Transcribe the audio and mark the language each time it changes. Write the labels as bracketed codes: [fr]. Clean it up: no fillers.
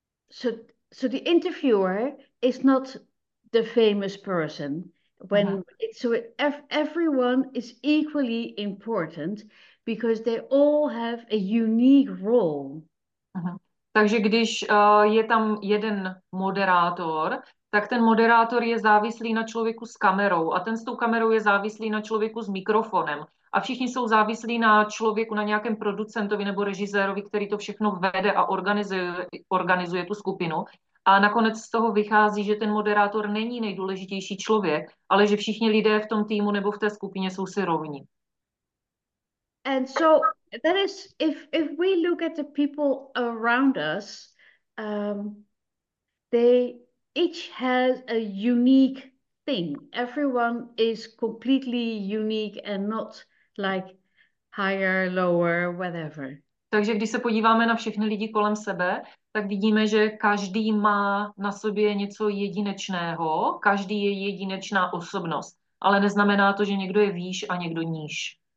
[en] so the interviewer is not the famous person when it's so everyone is equally important because they all have a unique role. [cs] Takže když je tam jeden moderátor, tak ten moderátor je závislý na člověku s kamerou a ten s tou kamerou je závislý na člověku s mikrofonem a všichni jsou závislí na člověku, na nějakém producentovi nebo režisérovi, který to všechno vede a organizuje tu skupinu. A nakonec z toho vychází, že ten moderátor není nejdůležitější člověk, ale že všichni lidé v tom týmu nebo v té skupině jsou si rovni. [en] And so that is, if we look at the people around us, they each has a unique thing. Everyone is completely unique and not like higher, lower, whatever. [cs] Takže když se podíváme na všechny lidi kolem sebe, tak vidíme, že každý má na sobě něco jedinečného, každý je jedinečná osobnost, ale neznamená to, že někdo je výš a někdo níž.